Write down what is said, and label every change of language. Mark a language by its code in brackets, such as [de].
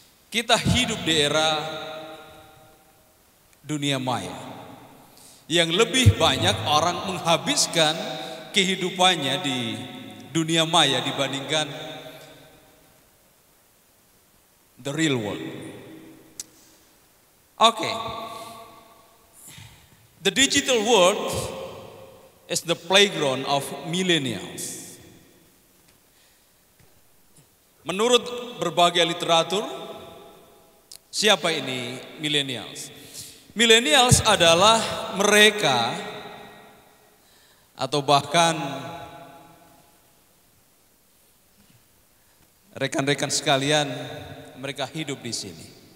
[id] Kita hidup di era dunia maya, yang lebih banyak orang menghabiskan kehidupannya di dunia maya dibandingkan the real world. Okay. [en] The digital world is the playground of millennials. [id] Menurut berbagai literatur, siapa ini millennials? Millennials adalah mereka atau bahkan rekan-rekan sekalian, mereka hidup di sini.